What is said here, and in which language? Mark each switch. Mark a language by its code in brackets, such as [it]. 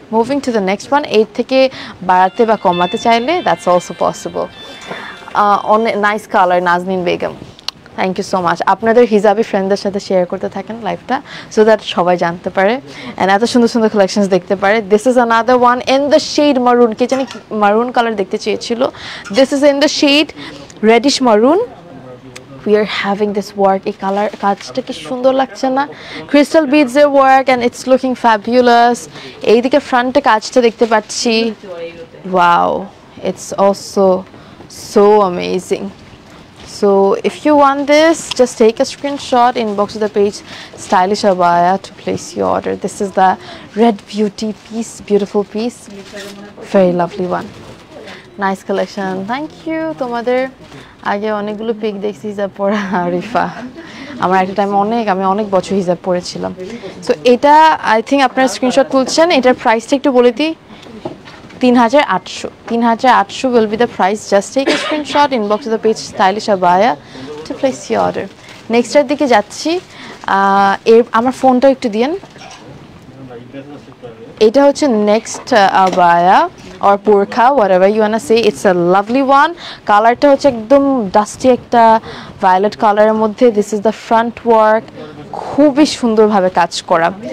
[en] moving to the next one, [bn] এর থেকে বাড়াতে বা কমাতে চাইলে [en] That's also possible. অনেক nice colour Nazneen Begum, thank you so much. [bn] আপনাদের হিজাবি ফ্রেন্ডদের সাথে শেয়ার করতে থাকেন লাইফটা, [en] so that [bn] সবাই জানতে পারে অ্যান্ড এত সুন্দর সুন্দর কালেকশনস দেখতে পারে। [en] this is another one in the shade maroon, [bn] কে জানি মারুন কালার দেখতে চেয়েছিল। [en] This is in the shade reddish maroon. We are having this work, a color [bn] kajta ki sundor lagche na, [en] crystal beads er work and it's looking fabulous. [bn] Ei dike front e kajta dekhte pacchi, wow, [en] it's also so amazing. So if you want this, just take a screenshot, inbox the page stylish abaya to place your order. This is the red beauty piece, beautiful piece, very lovely one. Nice collection, thank you. [bn] Tomader আগে অনেকগুলো pick দেখছি হিজাব পরা আরিফা, আমার একটা time অনেক, আমি অনেক বছর হিজাব পরেছিলাম। সো এটা [en] I think [bn] আপনারা স্ক্রিনশট তুলছেন, এটার প্রাইসটা একটু বলে দিই, 3800, 3800 [en] Will be the price. Just take screenshot, inbox the page Stylish Abaya to place your order. [bn] নেক্সটের দিকে যাচ্ছি, এর আমার ফোনটা একটু দিয়েন। এটা হচ্ছে [en] Next আবায়া or purkha, whatever you want to say, it's a lovely one. [bn] Color ta hoche ekdom dusty ekta violet color er moddhe. [en] This is the front work, [bn] khubi sundor bhabe kaaj kora.